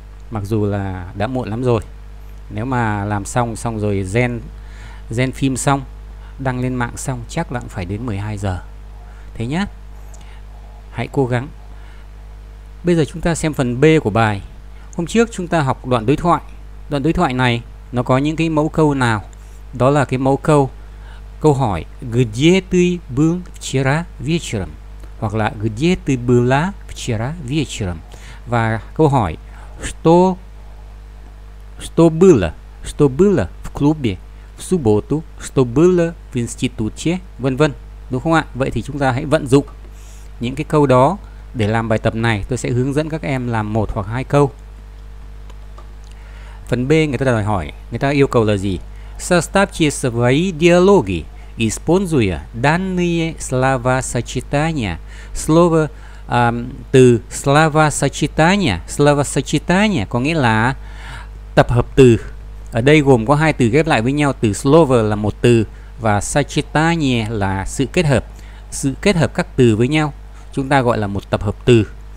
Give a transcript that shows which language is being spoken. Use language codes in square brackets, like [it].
[vi] Mặc dù là đã muộn lắm rồi. Nếu mà làm xong rồi gen phim xong, đăng lên mạng xong chắc là cũng phải đến 12 giờ. Thế nhá. Hãy cố gắng. Bây giờ chúng ta xem phần B của bài. Hôm trước chúng ta học đoạn đối thoại. Đoạn đối thoại này nó có những cái mẫu câu nào? Đó là cái mẫu câu hỏi [ru] где ты был вчера вечером, [vi] hoặc là [ru] где ты была вчера вечером, [vi] và câu hỏi [ru] что было в клубе в субботу, что было в институте, [vi] vân vân, đúng không ạ? Vậy thì chúng ta hãy vận dụng những cái câu đó để làm bài tập này. Tôi sẽ hướng dẫn các em làm một hoặc hai câu. Phần B người ta đòi hỏi, người ta yêu cầu là gì? [ru] Составьте свои диалоги, используя данные словосочетания. [vi] Слово từ словосочетания, словосочетания có nghĩa là tập hợp từ. Ở đây gồm có hai từ ghép lại với nhau, từ слово là một từ và сочетание là sự kết hợp. Sự kết hợp các từ với nhau chúng ta gọi là một tập hợp từ.